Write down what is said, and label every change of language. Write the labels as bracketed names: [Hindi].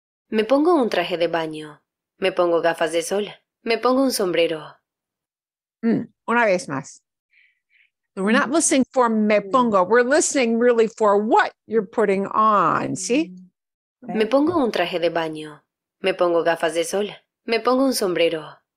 [Spanish] Me pongo un traje de baño, me pongo gafas de sol, me pongo un sombrero. Una vez más. [English] We're not listening for [Spanish] me pongo, [English] we're listening really for what you're putting on, [Spanish] ¿sí? Me pongo un traje de baño, me pongo gafas de sol, me pongo un sombrero.